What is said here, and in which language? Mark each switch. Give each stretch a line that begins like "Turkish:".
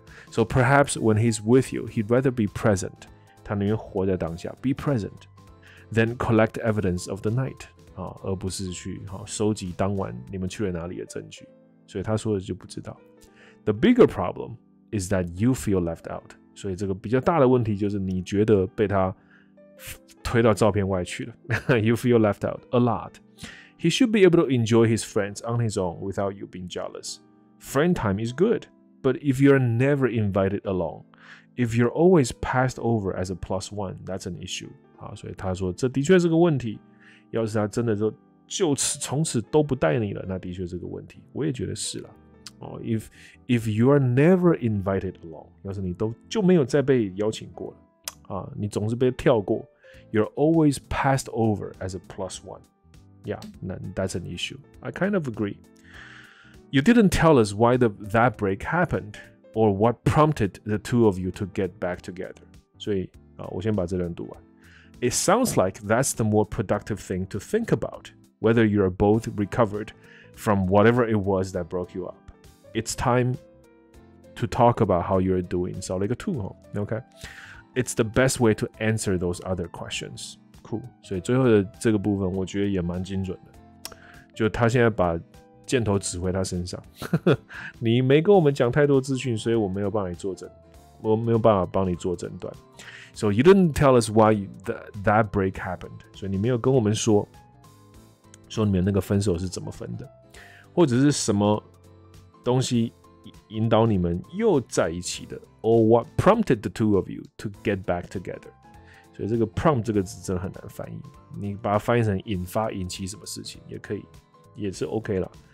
English: So perhaps when he's with you, he'd rather be present.
Chinese: 他宁愿活在当下
English: ，be present, than collect evidence of the night.
Chinese: 啊，而不是去哈收集当晚你们去了哪里的证据。所以他说的就不知道。
English: The bigger problem is that you feel left out.
Chinese: 所以这个比较大的问题就是你觉得被他推到照片外去了。
English: You feel left out a lot. He should be able to enjoy his friends on his own without you being jealous. Friend time is good, but if you're never invited along, if you're always passed over as a plus one, that's an issue.
Chinese: 好，所以他说这的确是个问题。要是他真的就此从此都不带你了，那的确是个问题。我也觉得是啦。哦，
English: if you're never invited along,
Chinese: 要是你都就没有再被邀请过了。啊，你总是被跳过 ，
English: You're always passed over as a plus one. Yeah, that's an issue. I kind of agree. You didn't tell us why that break happened or what prompted the two of you to get back together.
Chinese: 所以啊，我先把这段读完。
English: It sounds like that's the more productive thing to think about, whether you're both recovered from whatever it was that broke you up. It's time to talk about how you're doing.
Chinese: 少了一个 two 哈
English: ，OK。It's the best way to answer those other questions. Cool.
Chinese: 所以最后的这个部分，我觉得也蛮精准的。就他现在把箭头指回他身上，你没跟我们讲太多资讯，所以我没有帮你做诊，我没有办法帮你做诊断。
English: So you didn't tell us why that break happened.
Chinese: 所以你没有跟我们说你们那个分手是怎么分的，或者是什么东西引导你们又在一起的。
English: Or what prompted the two of you to get back together?
Chinese: 所以这个 prompt 这个字真的很难翻译。你把它翻译成引发、引起什么事情也可以，也是 OK 啦。